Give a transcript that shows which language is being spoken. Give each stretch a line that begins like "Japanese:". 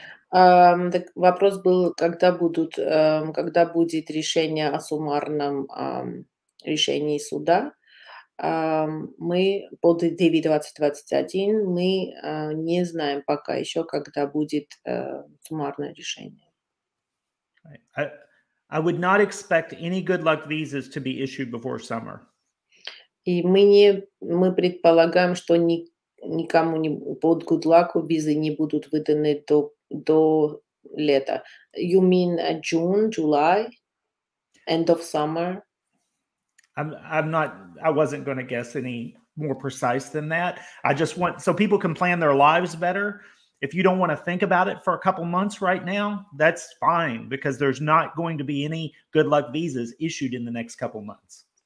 Russian: Так вопрос был, когда будет решение о суммарном решении суда. Мы по DV 2021, мы не знаем пока еще, когда будет суммарное решение.
English: I would not expect any good luck visas to be issued before summer.
Russian: И мы предполагаем, что никому не под good luck визы не будут выданы до лета.
English: You mean June, July, end of summer? I wasn't going to guess any more precise than that. I just want so people can plan their lives better. If you don't want to think about it for a couple months right now, that's fine because there's not going to be any good luck visas issued in the next couple months.